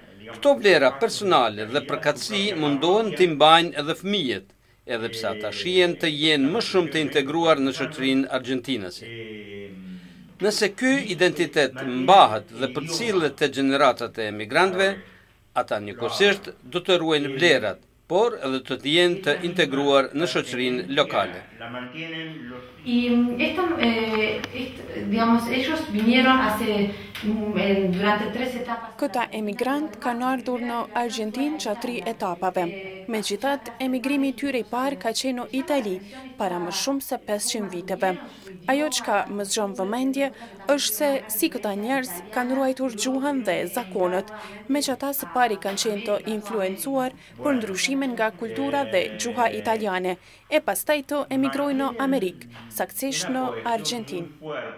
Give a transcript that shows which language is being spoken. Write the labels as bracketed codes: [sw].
[sq] Këto vlera personale dhe përkatësi mundohen të mbajnë edhe fëmijët, edhe pse ata shihen të jenë më shumë të integruar në shoqërinë argentinase. Nëse ky identitet mbahet dhe përcillet te gjeneratat e emigrantëve, ata njëkohësisht do të ruajnë vlerat, por edhe të jenë të integruar në shoqërinë lokale. [es] La Y esto, digamos, ellos vinieron hace durante tres etapas. [sq] Këta emigrant kanë ardhur në Argentinë gjatë tri etapave. Megjithatë, emigrimi i tyre i parë ka qenë në Itali para më shumë se 500 viteve. Ajo çka më zgjon vëmendje është se si këta njerëz kanë ruajtur gjuhën dhe zakonet, megjithatë së pari kanë qenë të influencuar për ndryshimin nga kultura dhe gjuha italiane, e pastaj të emigrojnë në Amerikë, saktësisht në Argentinë.